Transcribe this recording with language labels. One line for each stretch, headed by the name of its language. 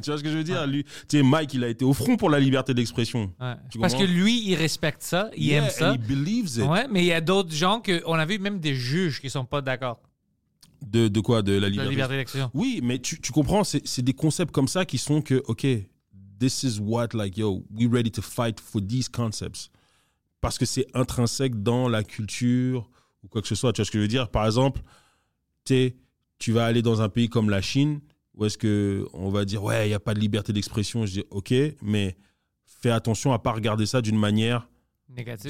French: Tu vois ce que je veux dire? Lui, tu sais, Mike, il a été au front pour la liberté d'expression. Ouais. Parce que lui, il respecte ça, il aime ça.
English: He believes it.
French: Ouais, mais il y a d'autres gens qu'on a vu, même des juges qui sont pas d'accord. De quoi? De la liberté, d'expression. Oui, mais tu comprends, c'est des concepts comme ça qui sont que, OK...
English: This is what, like, yo, we ready to fight for these concepts.
French: Parce que c'est intrinsèque dans la culture ou quoi que ce soit. Tu vois ce que je veux dire? Par exemple, tu vas aller dans un pays comme la Chine où est-ce qu'on va dire, ouais, il n'y a pas de liberté d'expression. Je dis, OK, mais fais attention à ne pas regarder ça d'une manière négative,